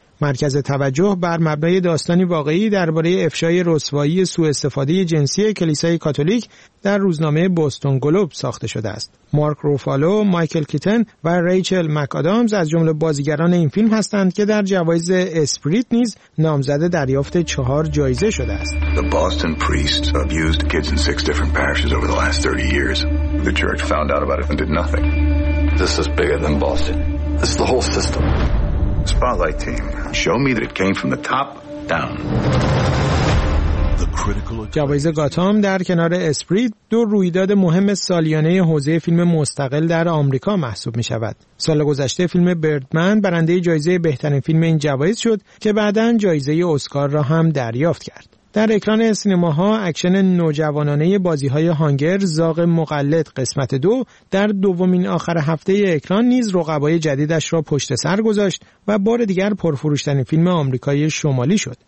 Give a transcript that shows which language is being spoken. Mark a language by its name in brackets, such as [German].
[Persian] مرکز توجه بر مبنای داستانی واقعی درباره افشای رسوایی سوء استفاده جنسی کلیسای کاتولیک در روزنامه بوستون گلوب ساخته شده است. مارک روفالو، مایکل کیتن و ریچل مک‌آدامز از جمله بازیگران این فیلم هستند که در جوایز اسپریت نیز نامزد دریافت 4 جایزه شده است. [English] The Boston priests abused kids in 6 different parishes over the last 30 years. The church found out about it and did nothing. This is bigger than Boston. This is the whole system. Spotlight team, show me that it came from the top down. [Persian] جوایز گاتام در کنار اسپریت دو رویداد مهم سالیانه حوزه فیلم مستقل در آمریکا محسوب می شود. سال گذشته فیلم بردمن برنده جایزه بهترین فیلم این جوایز شد که بعداً جایزه اسکار را هم دریافت کرد. در اکران سینماها اکشن نوجوانانه بازی‌های هانگر زاغ مقلد قسمت 2 در دومین آخر هفته اکران نیز رقبای جدیدش را پشت سر گذاشت و بار دیگر پرفروش‌ترین فیلم آمریکایی شمالی شد.